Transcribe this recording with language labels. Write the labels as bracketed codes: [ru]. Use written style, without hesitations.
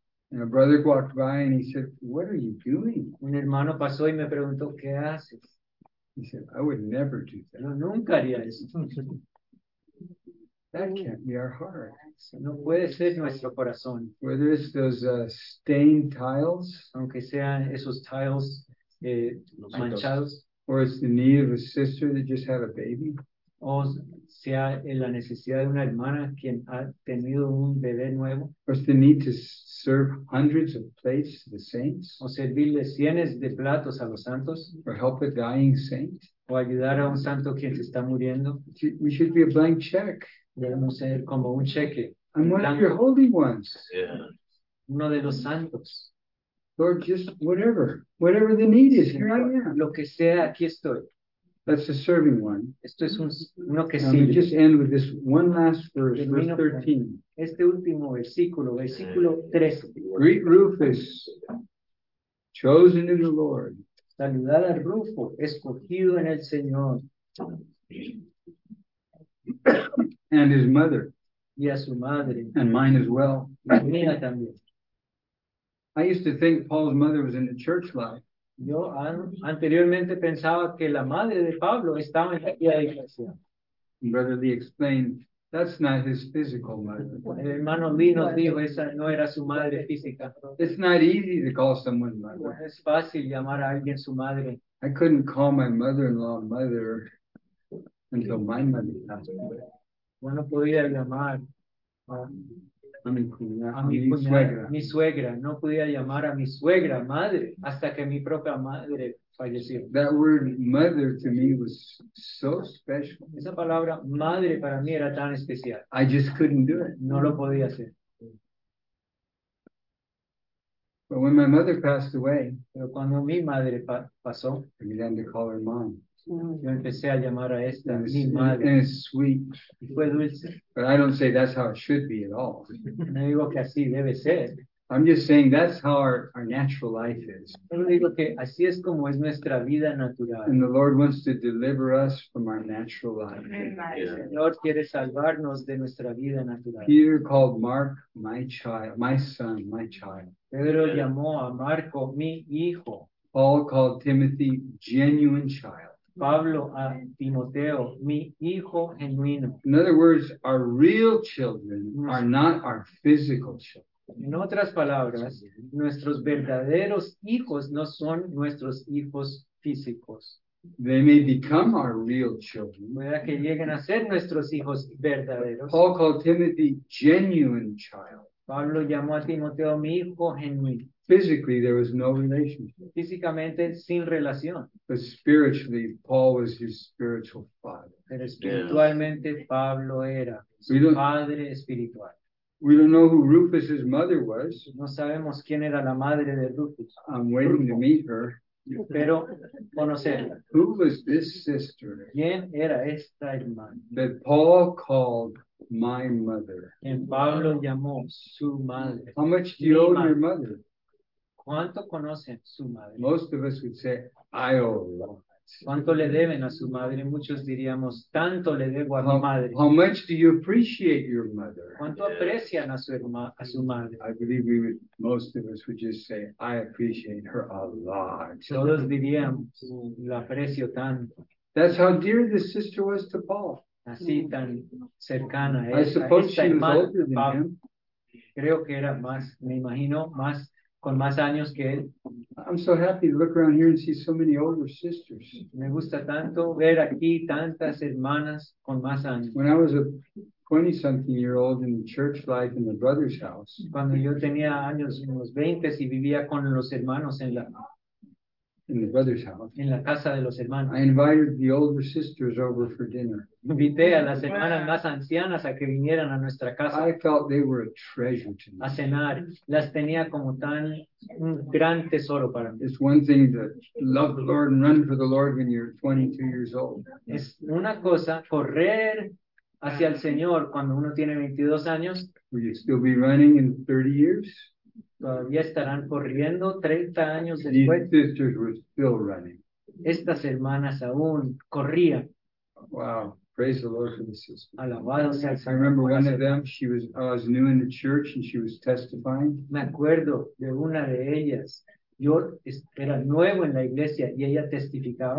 [en] And a brother walked by and he said, "What are you doing?" [es] Un hermano pasó y me preguntó, ¿qué haces? [en] He said, "I would never do that." [es] Yo nunca haría eso. [en] That can't be our heart. [es] No puede ser nuestro corazón. [en] Whether it's those stained tiles, [es] aunque sean esos tiles manchados, [en] or it's the need of a sister that just had a baby, [es] o sea la necesidad de una hermana quien ha tenido un bebé nuevo, [en] or it's the need to serve hundreds of plates to the saints, [es] o servirle cientos de platos a los santos, [en] or help a dying saint, [es] o ayudar a un santo quien se está muriendo. [en] We should be a blank check. [es] Debemos ser como un cheque. [en] I'm one of your holy ones. Yeah. [es] Uno de los santos. [en] Lord, just whatever the need is, here I am. [es] Lo que sea, aquí estoy. [en] That's a serving one. [es] Esto es uno que sirve. [en] Let me just end with this one last verse, verse 13. [es] Este último versículo, versículo 13. [en] Greet Rufus, chosen in the Lord. [es] Saludad a Rufo, escogido en el Señor. [en] And his mother. [es] Y a su madre. [en] And mine as well. [es] Mía también. [en] I used to think Paul's mother was in the church life. [es] Yo anteriormente pensaba que la madre de Pablo estaba en la iglesia. [en] Brother Lee explained, that's not his physical mother. [es] El hermano Lee nos dijo, esa no era su madre física. [en] It's not easy to call someone mother. [es] No es fácil llamar a alguien su madre. [en] I couldn't call my mother-in-law mother until my mother passed away. [es] Yo no podía llamar a mi suegra. No podía llamar a mi suegra madre hasta que mi propia madre falleció. [en] That word mother to me was so special. [es] Esa palabra madre para mí era tan especial. [en] I just couldn't do it. [es] No lo podía hacer. [en] But when my mother passed away, [es] pero cuando mi madre pasó, [en] I began to call her mom. [es] Yo empecé a llamar a esta and mi madre. [en] And it's sweet. [es] Y fue dulce. [en] But I don't say that's how it should be at all. [es] No digo que así debe ser. [en] I'm just saying that's how our natural life is. [es] Pero digo que así es como es nuestra vida natural. [en] And the Lord wants to deliver us from our natural life. Yeah. [es] Lord quiere salvarnos de nuestra vida natural. [en] Peter called Mark my child, my son, my child. [es] Pedro llamó a Marco mi hijo. [en] Paul called Timothy genuine child. [es] Pablo a Timoteo, mi hijo genuino. [en] In other words, our real children are not our physical children. [es] En otras palabras, nuestros verdaderos hijos no son nuestros hijos físicos. [en] They may become our real children. [es] Puede que lleguen a ser nuestros hijos verdaderos. [en] Paul called Timothy genuine child. [es] Pablo llamó a Timoteo mi hijo genuino. [en] Physically, there was no relationship. [es] Físicamente, sin relación. [en] But spiritually, Paul was his spiritual father. [es] Pero espiritualmente, yeah. Pablo era su padre espiritual. [en] We don't know who Rufus's mother was. [es] No sabemos quién era la madre de Rufus. [en] I'm waiting to meet her. [es] Pero conocerla. [en] Who was this sister? [es] ¿Quién era esta hermana? [en] That Paul called my mother. [es] En Pablo llamó su madre. [en] How much do you owe your mother? [es] ¿Cuánto conocen su madre? [en] Most of us would say, I owe a lot. [es] ¿Cuánto le deben a su madre? Muchos diríamos, tanto le debo a mi madre. [en] How much do you appreciate your mother? [es] ¿Cuánto aprecian a su madre? [en] I believe most of us would just say, I appreciate her a lot. [es] Todos diríamos, la aprecio tanto. [en] That's how dear this sister was to Paul. [es] Así tan cercana. [en] I suppose she was older than him. [es] Creo que era más, me imagino, más. Con más años que él. [en] I'm so happy to look around here and see so many older sisters. [es] Me gusta tanto ver aquí tantas hermanas con más años. [en] When I was a 20-something-year-old in the church life in the brother's house. [es] Cuando yo tenía años unos 20 y vivía con los hermanos en la. [en] In the brother's house. [es] En la casa de los hermanos. [en] I invited the older sisters over for dinner. [es] Invité a las hermanas más ancianas a que vinieran a nuestra casa. [en] I felt they were a treasure to me. [es] A cenar. Las tenía como tan un gran tesoro para mí. [en] It's one thing to love the Lord and run for the Lord when you're 22 years old. [es] Es una cosa correr hacia el Señor cuando uno tiene 22 años. [en] Will you still be running in 30 years? [es] Todavía estarán corriendo 30 años después. [en] These sisters were still running. [es] Estas hermanas aún corrían. [en] Wow, praise the Lord for the sisters. [es] Alabado sea el Señor. [en] I remember one of them, I was new in the church and she was testifying. [es] Me acuerdo de una de ellas. Yo era nuevo en la iglesia y ella testificaba.